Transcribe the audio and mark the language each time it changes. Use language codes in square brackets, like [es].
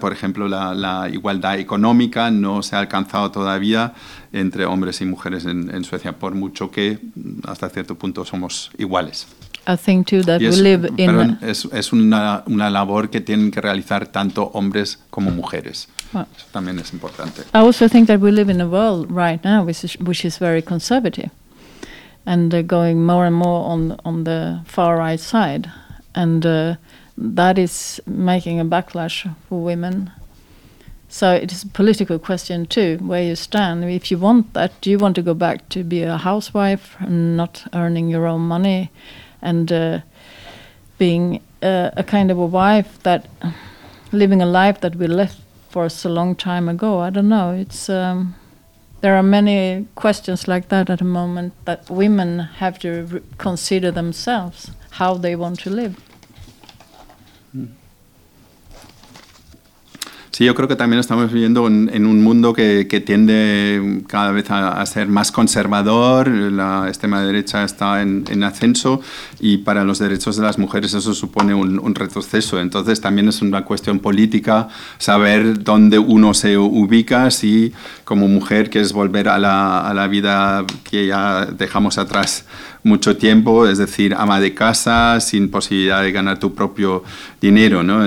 [es] Por ejemplo, la igualdad económica no se ha alcanzado todavía entre hombres y mujeres en Suecia, por mucho que hasta cierto punto somos iguales. [en] I think too that we live in. [es] Perdón, es una labor que tienen que realizar tanto hombres como mujeres. [en] Well, [es] eso también es importante. [en] I also think that we live in a world right now which is very conservative and going more and more on the far right side. And that is making a backlash for women. So it is a political question too, where you stand. If you want that, do you want to go back to be a housewife and not earning your own money and being a kind of a wife that living a life that we left for us a long time ago? I don't know. It's there are many questions like that at the moment that women have to consider themselves, how they want to live. [es] Sí, yo creo que también estamos viviendo en un mundo que tiende cada vez a ser más conservador. La extrema derecha está en ascenso y para los derechos de las mujeres eso supone un retroceso. Entonces también es una cuestión política saber dónde uno se ubica, si como mujer quieres volver a la vida que ya dejamos atrás mucho tiempo, es decir, ama de casa, sin posibilidad de ganar tu propio dinero, ¿no?